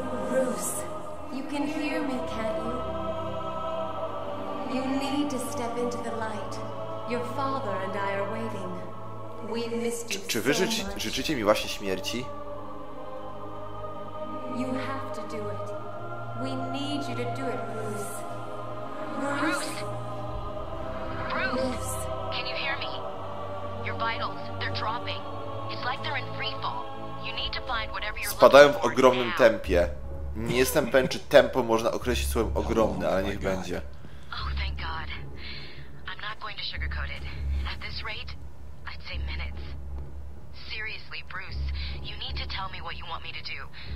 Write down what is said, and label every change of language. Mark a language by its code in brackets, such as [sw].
[en] Bruce, you can hear me, can't you? You need to step into the light. Your father and I are waiting. We missed you. [pl] Czy wy życzycie mi właśnie śmierci? [en] You have to do it. We need you to do it, Bruce. Bruce! Can you hear me? Your vitals, they're dropping. It's like they're in free fall. You need to find whatever you're [pl] spadają w ogromnym tempie. Nie jestem pewien, czy tempo można określić słowem ogromne, ale niech będzie. [en] Oh, thank God. I'm not going to sugarcoat it. At this rate, I'd say minutes. Seriously, Bruce, you need to tell me what you want me to do.